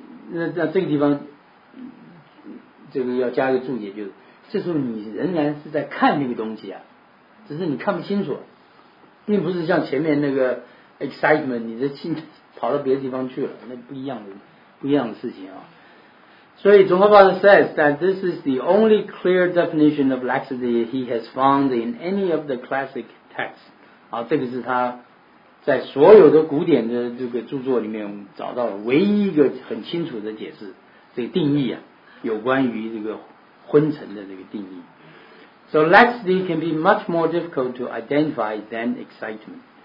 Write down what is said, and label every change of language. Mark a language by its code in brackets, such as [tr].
[zh] 那这个地方这个要加一个注解，就是这时候你仍然是在看那个东西啊，只是你看不清楚，并不是像前面那个 excitement, 你的心跑到别的地方去了，那不一样的事情啊。 [en] 所以Tsongkhapa says that this is the only clear definition of laxity he has found in any of the classic texts. [zh] 好，这个是他在所有的古典的这个著作里面找到了唯一一个很清楚的解释，这个定义啊，有关于这个昏沉的这个定义。 [en] So laxity can be much more difficult to identify than excitement.